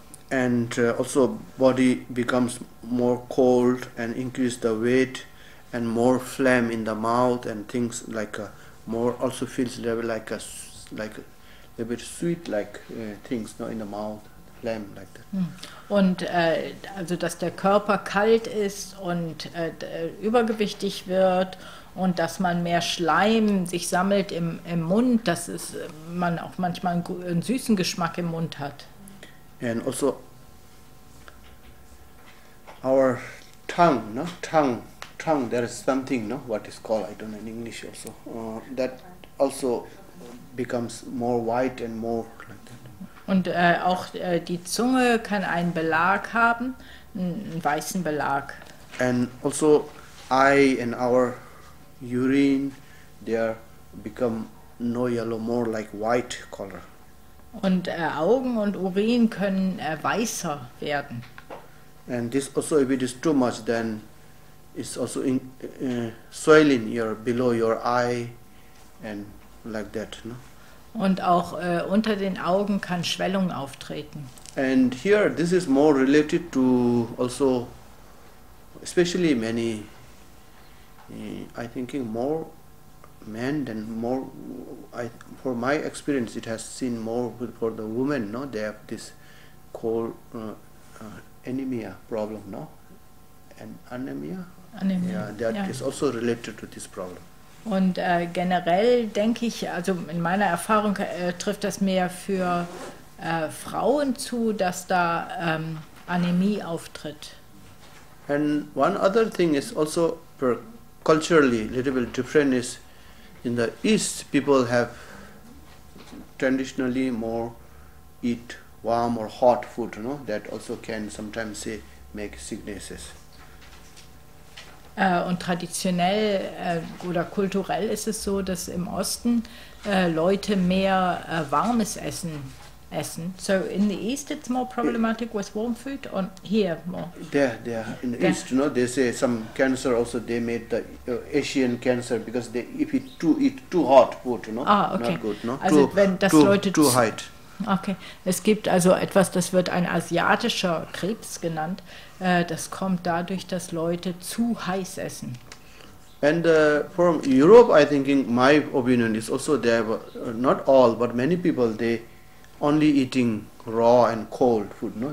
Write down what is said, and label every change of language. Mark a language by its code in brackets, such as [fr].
[en] And also body becomes more cold and increase the weight and more phlegm in the mouth and things like more also feels like a bit sweet like things, no, in the mouth, phlegm like that. [de] Und also dass der Körper kalt ist und übergewichtig wird und dass man mehr Schleim sich sammelt im Mund, dass es man auch manchmal einen süßen Geschmack im Mund hat. [en] And also our tongue, no? Tongue, there is something, no? What is called, I don't know, in English also. That also becomes more white and more like that. [de] Und die Zunge kann einen Belag haben, einen weißen Belag. [en] And also eye and our urine, they become no yellow, more like white color. [de] Und Augen und Urin können weißer werden. [en] And this also, if it is too much, then it's also in, swelling your below your eye, and like that, no? [de] Und auch unter den Augen kann Schwellung auftreten. [en] And here, this is more related to also, especially many. I thinking more men than more. I for my experience, it has seen more for the women. No, they have this cold. Anemia problem, no? And anemia. Yeah, is also related to this problem. [de] Und generell denke ich, also in meiner Erfahrung trifft das mehr für Frauen zu, dass da Anämie auftritt. [en] And one other thing is also per culturally a little bit different is in the East people have traditionally more eat warm or hot food, no? That also can sometimes say make sicknesses. [de] Und traditionell oder kulturell ist es so, dass im Osten Leute mehr warmes Essen. [en] So in the East it's more problematic with warm food or here more? There. In the East, no? They say some cancer also, they made the Asian cancer because they eat too hot food, no? Ah, okay. Not good, no? [de] Also wenn das Leute [en] too hot. [de] Okay, es gibt also etwas, das wird ein asiatischer Krebs genannt. Das kommt dadurch, dass Leute zu heiß essen. [en] And from Europe, I think in my opinion is also there, not all, but many people, they only eating raw and cold food, no?